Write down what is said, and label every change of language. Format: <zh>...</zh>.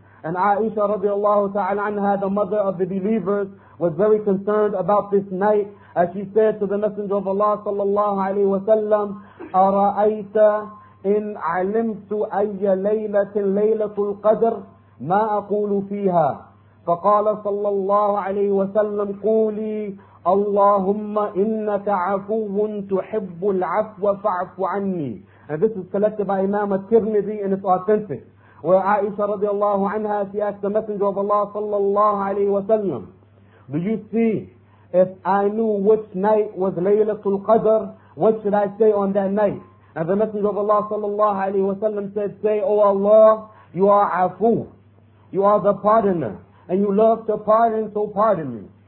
<en>And Aisha radiallahu ta'ala anha, the mother of the believers, was very concerned about this night, as she said to the Messenger of Allah sallallahu alayhi wasallam,</en> <ar>أَرَأَيْتَ إِنْ عَلِمْتُ أَيَّ لَيْلَةٍ لَيْلَةُ الْقَدْرِ مَا أَقُولُ فِيهَا. فَقَالَ صَلَّى اللَّهُ عَلَيْهِ وَسَلَّمْ قُولِي اللهم انك عفو تحب العفو فاعف عني.</ar> <en>And this is collected by Imam al-Tirmidhi and it's authentic. Where Aisha radiallahu anha, she asked the Messenger of Allah sallallahu alayhi wa sallam, do you see, if I knew which night was Laylatul Qadr, what should I say on that night? And the Messenger of Allah sallallahu alayhi wa sallam said, say, O Allah, you are afu, you are the pardoner, and you love to pardon, so pardon me.</en>